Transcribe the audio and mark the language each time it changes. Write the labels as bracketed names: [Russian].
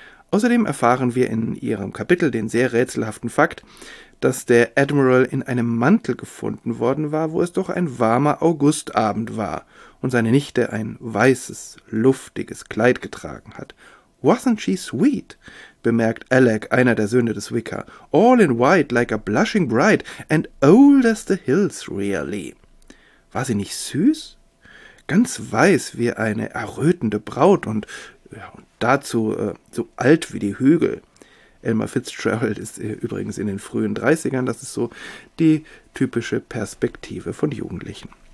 [German] Außerdem erfahren wir in ihrem Kapitel den sehr rätselhaften Fakt, dass der Admiral in einem Mantel gefunden worden war, wo es doch ein warmer Augustabend war und seine Nichte ein weißes, luftiges Kleid getragen hat. [English] Wasn't she sweet? [German] Bemerkt Alec, einer der Söhne des Wicker. [English] All in white, like a blushing bride, and old as the hills, really. [German] War sie nicht süß? Ganz weiß wie eine errötende Braut und, ja, und dazu so alt wie die Hügel. Elma Fitzgerald ist übrigens in den frühen 30ern, das ist so die typische Perspektive von Jugendlichen.